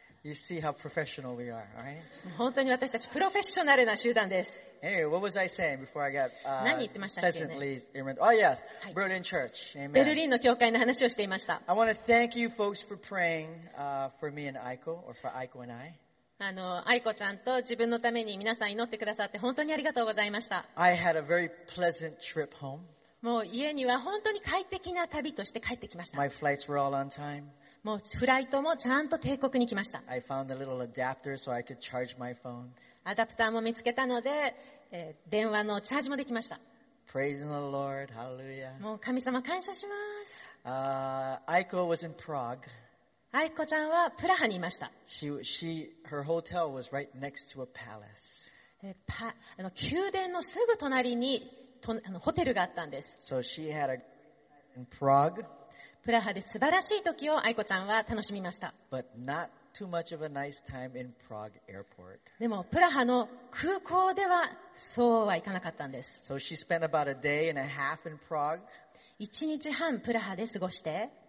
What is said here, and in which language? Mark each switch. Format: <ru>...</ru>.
<en>You see how professional we are, all right?</en> <ja>本当に私たちプロフェッショナルな集団です。</ja> <en>Anyway, what was I saying before I got pleasantly remembered? Oh yes, Berlin Church. Amen.</en> <ja>ベルリンの教会の話をしていました。</ja> <en>I want to thank you folks for praying for me and Aiko, or for Aiko and I.</en> <ja>愛子ちゃんと自分のために皆さん祈ってくださって本当にありがとうございました。</ja> <en>I had a very pleasant trip home.</en> <ja>もう家には本当に快適な旅として帰ってきました。</ja> <en>My flights were all on time.</en> <ja>もうフライトもちゃんと定刻に来ました。</ja> <en>I found a little adapter so I could charge my phone.</en> <ja>アダプターも見つけたので、電話のチャージもできました。</ja> <en>Praise the Lord, hallelujah.</en> <ja>もう神様感謝します。</ja> <en>Aiko was in Prague.</en> <ja>愛子ちゃんはプラハにいました。</ja> <en>her hotel was right next to a palace.</en> <ja>宮殿のすぐ隣にホテルがあったんです。</ja> <en>So she had a great time in Prague.</en> <ja>プラハで素晴らしい時を愛子ちゃんは楽しみました。</ja> <en>But not too much of a nice time in Prague airport.</en> <ja>でもプラハの空港ではそうはいかなかったんです。</ja> <en>So she spent about a day and a half in Prague.</en> <ja>1日半プラハで過ごして、</ja>